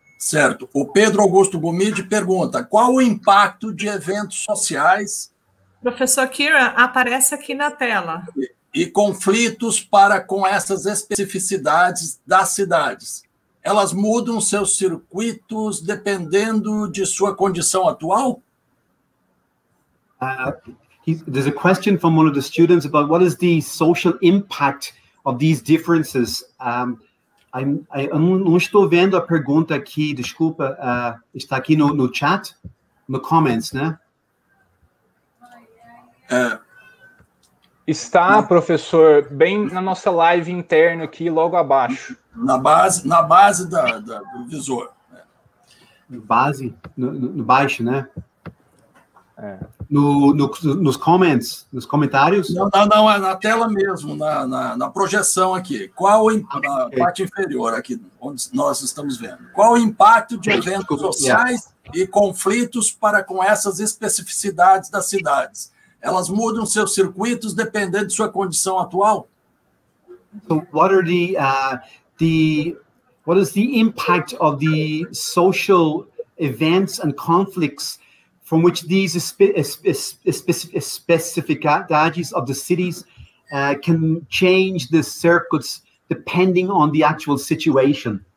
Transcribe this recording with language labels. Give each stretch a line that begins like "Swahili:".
Portuguese: Certo. O Pedro Augusto Gomide pergunta: qual o impacto de eventos sociais... Professor Kira, aparece aqui na tela. E conflitos para com essas especificidades das cidades. Elas mudam seus circuitos dependendo de sua condição atual?
English: There's a question from one of the students about what is the social impact of these differences.
Portuguese: Eu não estou vendo a pergunta aqui, desculpa, está aqui no chat,
English: no comments,
Portuguese: né? Está, professor, bem na nossa live interna aqui, logo abaixo. Na base do visor. No baixo, né? nos comentários? Não, é na tela mesmo, na projeção aqui. Qual na parte inferior aqui, onde nós estamos vendo? Qual o impacto de eventos sociais e conflitos para com essas especificidades das cidades? Elas mudam seus circuitos dependendo de sua condição atual?
English: So what are what is the impact of the social events and conflicts from which these
Portuguese: especificidades
English: of the cities can change the circuits depending on the actual situation?